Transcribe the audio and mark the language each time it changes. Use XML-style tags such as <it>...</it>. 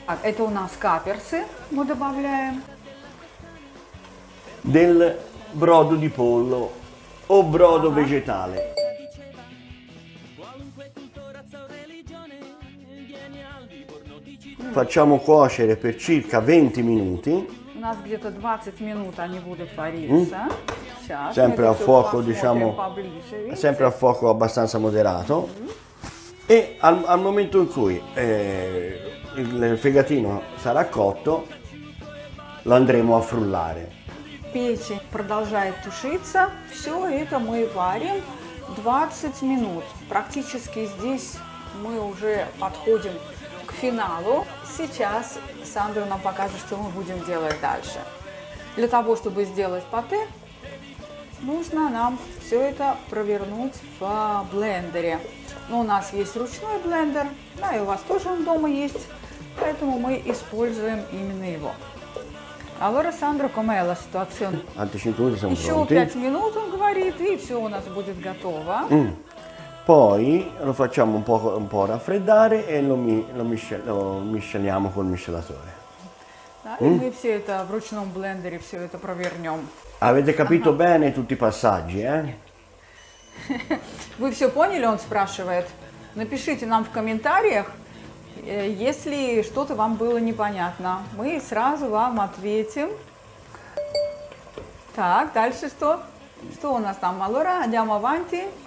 <ru>Это у нас каперсы мы добавляем.</ru> <it>Del brodo di pollo o brodo vegetale. Facciamo cuocere per circa 20 minuti.</it> <ru>У нас где-то 20 минут они будут вариться. Сейчас.</ru> <it>Sempre a fuoco, diciamo, sempre a fuoco abbastanza moderato. E al momento in cui il fegatino sarà cotto, lo andremo a frullare.</it> <ru>Печь продолжает тушиться. Все это мы варим 20 минут. Практически здесь мы уже подходим к финалу. Сейчас Сандро нам покажет, что мы будем делать дальше. Для того, чтобы сделать пате, нужно нам все это провернуть в блендере. Но у нас есть ручной блендер, да, и у вас тоже он дома есть, поэтому мы используем именно его.</ru> <it>Allora, Сандро, come è la situazione?</it> <ru>Еще 5 минут, он говорит, и все у нас будет готово.</ru> <it>Poi lo facciamo un po' raffreddare e lo misceliamo col miscelatore. Dai, noi</it> <ru>все это в ручном блендере все это провернем.</ru> <it>Avete capito bene tutti i passaggi, eh?</it> <ru>Вы все поняли, он спрашивает. Напишите нам в комментариях, если что-то вам было непонятно. Мы сразу вам ответим. Так, дальше что? Что у нас там?</ru> <it>Allora, andiamo avanti.</it>